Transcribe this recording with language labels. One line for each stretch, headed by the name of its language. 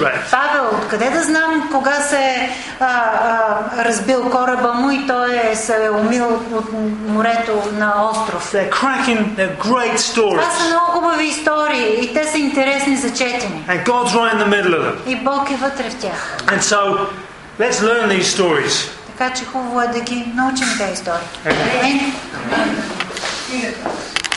Bulgarian: Павел, откъде да знам кога се е разбил кораба му и той се е умил от морето на остров? Това са много хубави истории и те са интересни за четене. И Бог е вътре в тях.
English: And so, let's learn these stories.
Bulgarian: Така че хубаво е да ги научим тези истории. Амин. Okay.